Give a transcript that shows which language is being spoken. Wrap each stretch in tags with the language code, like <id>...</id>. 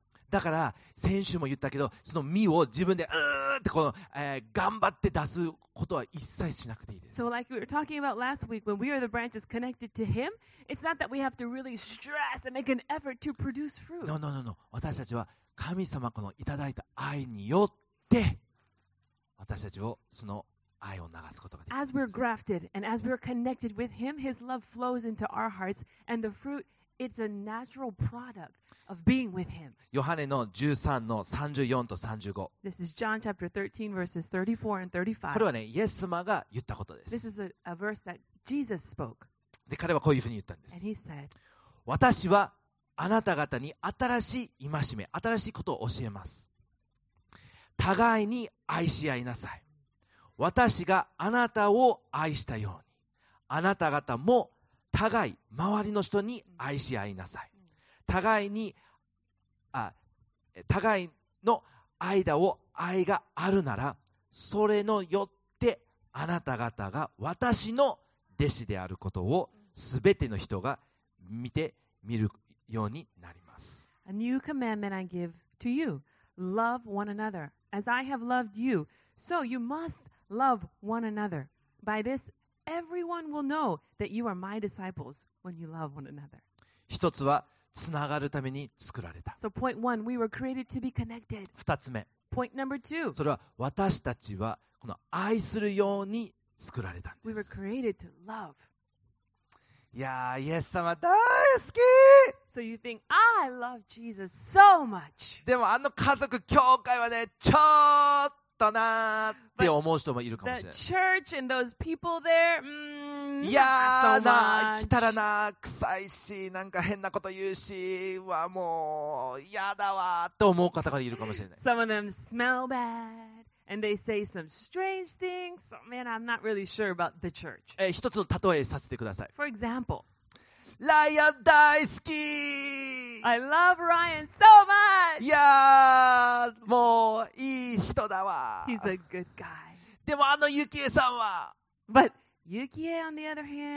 <ja>だから先週も言ったけど、その実を自分でうーってこの、頑張って出すことは一切しなくていいです。</ja> <en>So like we were talking about last week, when we are the branches connected to Him, it's not that we have to really stress and make an effort to produce fruit. No, no, no, no.</en> <ja>私たちは神様このいただいた愛によって私たちをその愛を流すことができます。</ja> <en>As we're grafted and as we're connected with Him, His love flows into our hearts, and the fruit It's a natural product of being with him.</en> <ja>ヨハネの13の34と35。</ja> <en>This is John chapter 13 verses 34 and 35.</en> <ja>これはね、イエス様が言ったことです。</ja> <en>This is a verse that Jesus spoke.</en> <ja>で、彼はこういうふうに言ったんです。</ja> <en>And he said,</en> <ja>私はあなた方に新しい戒め、新しいことを教えます。互いに愛し合いなさい。私があなたを愛したように、あなた方も互い周りの人に愛し合いなさい。互いに、互いの間を愛があるなら、それのよってあなた方が私の弟子であることをすべての人が見て見るようになります。</ja> <en>A new commandment I give to you. Love one another. As I have loved you, so you must love one another. By this, everyone will know that you are my disciples when you love one another.</en> <ja>一つはつながるために作られた。</ja> <en>So point one, we were created to be connected.</en> <ja>二つ目。</ja> <en>Point number two.</en> <ja>それは私たちはこの愛するように作られたんです。</ja> <en>We were created to love.</en> <ja>いやー、イエス様大好き。</ja> <en>So you think, I love Jesus so much.</en> <ja>でもあの家族教会はね、ちょっとなーって思う人もいるかもしれない。</ja> <en>The church and those people there,</en> <ja>いやーなー、来たらなー、臭いし、なんか変なこと言うし、わもう、やだわーって思う方がいるかもしれない。</ja> <en>Some of them smell bad. And they say some strange things. So, man, I'm not really sure about the church.</en> <ja>一つの例えさせてください。</ja> <en>For example,</en> <ja>Ryan 大好き。</ja> <en>I love Ryan so much.</en> <ja>いやー、もういい人だわ。</ja> <en>He's a good guy.</en> <ja>でもあのユキエさんは。</ja> <en>But Yukie, on the other hand,</en>